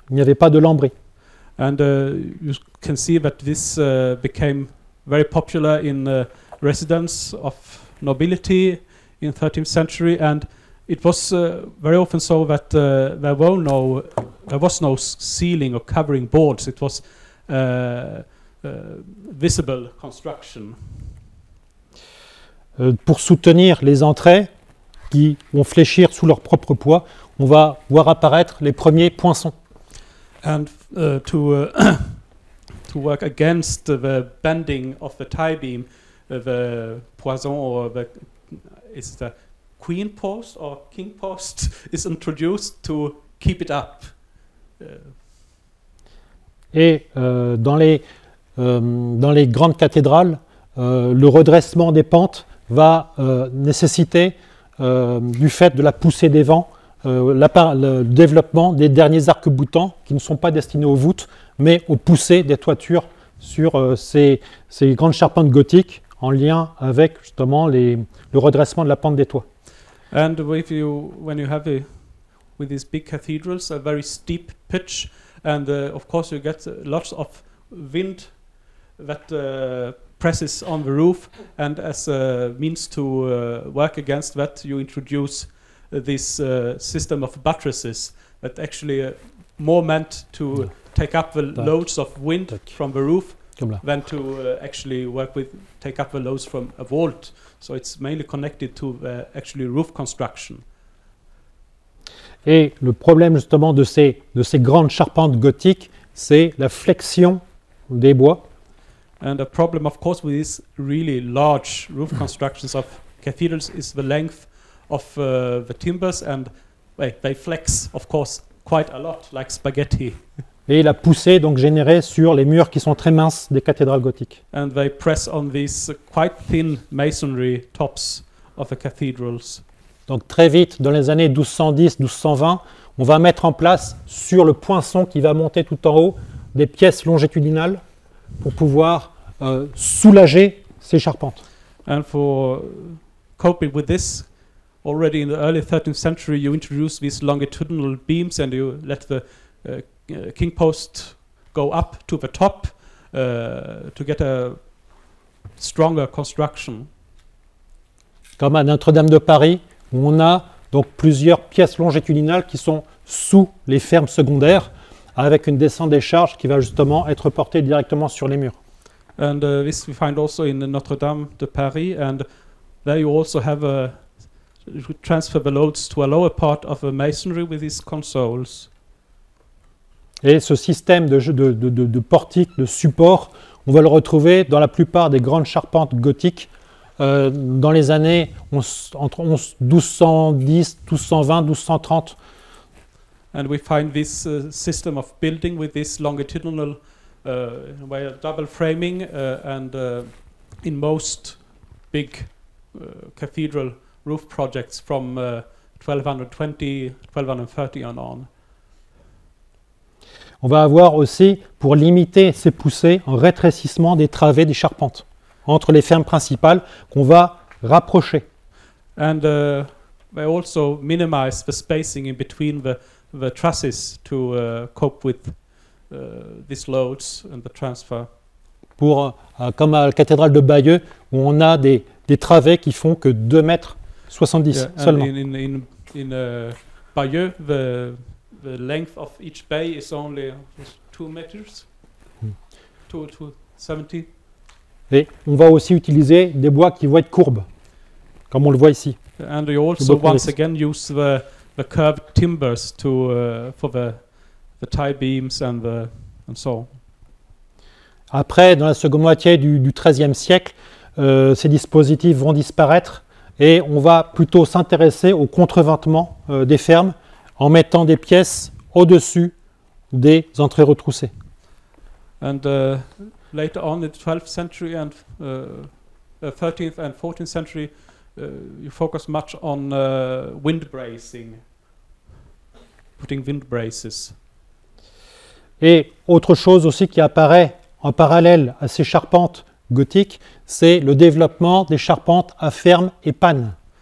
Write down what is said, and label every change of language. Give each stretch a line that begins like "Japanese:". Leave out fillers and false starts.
French: Il n'y avait pas de lambris.
English: And you can see that this became very popular in residence of nobility in 13th century, and it was very often so that there was no ceiling or covering boards. It was visible construction.
French: Pour soutenir les entrées qui vont fléchir sous leur propre poids, on va voir apparaître les premiers poinçons.
English: And to work against the bending of the tie beam, the poison or the is the queen post or king post is introduced to keep it up.
French: Et dans les grandes cathédrales, le redressement des pentes va nécessiter du fait de la poussée des vents, le développement des derniers arcs-boutants qui ne sont pas destinés aux voûtes, mais aux poussées des toitures sur ces grandes charpentes gothiques en lien avec justement le redressement de la pente des toits.
English: And if you, when you have with these big cathedrals, a very steep pitch, and of course you get lots of wind that presses on the roof, and as a means to work against that, you introduce this system of buttresses that actually more meant to take up the loads of wind from the roof than to actually work with take up the loads from a vault. So it's mainly connected to the actually roof construction.
French: Et le problème justement de ces grandes charpentes gothiques, c'est la flexion des bois.
English: And a problem, of course, with these really large roof constructions of cathedrals is the length of the timbers, and they flex, of course, quite a lot, like spaghetti.
French: Et la poussée donc générée sur les murs qui sont très minces des cathédrales gothiques.
English: And they press on these quite thin masonry tops of the cathedrals.
French: Donc très vite, dans les années 1210-1220, on va mettre en place sur le poinçon qui va monter tout en haut des pièces longitudinales pour pouvoir soulager ces charpentes.
English: And for coping with this, already in the early 13th century, you introduce these longitudinal beams and you let the king post go up to the top to get a stronger construction.
French: Comme à Notre-Dame de Paris, où on a donc plusieurs pièces longitudinales qui sont sous les fermes secondaires, avec une descente des charges qui va justement être portée directement sur les murs.
English: And this we find also in Notre-Dame de Paris, and there you also have a transfer the loads to a lower part of the masonry with these consoles.
French: Et ce système de portique, de support, on va le retrouver dans la plupart des grandes charpentes gothiques dans les années entre 1210, 1220, 1230.
English: And we find this system of building with this longitudinal way of double framing and in most big cathedral roof projects from 1220, 1230 and on.
French: On va avoir aussi, pour limiter ces poussées, un rétrécissement des travées des charpentes entre les fermes principales qu'on va rapprocher.
English: And they also minimize the spacing in between the trusses to cope with these loads and the transfer.
French: Pour, comme à la cathédrale de Bayeux, où on a des travées qui font que 2,70 m seulement.
English: In Bayeux, the length of each bay is only 2 meters, 2,70 m.
French: Et on va aussi utiliser des bois qui vont être courbes, comme on le voit ici.
English: And we also once again use the curved timbers to for the tie beams and so on.
French: Après, dans la seconde moitié du XIIIe siècle, ces dispositifs vont disparaître et on va plutôt s'intéresser au contreventement des fermes en mettant des pièces au-dessus des entrées retroussées.
English: And later on, in the 12th century and 13th and 14th century, you focus much on wind bracing, putting wind braces.
French: Et autre chose aussi qui apparaît en parallèle à ces charpentes gothiques, c'est le développement des charpentes à ferme et panne.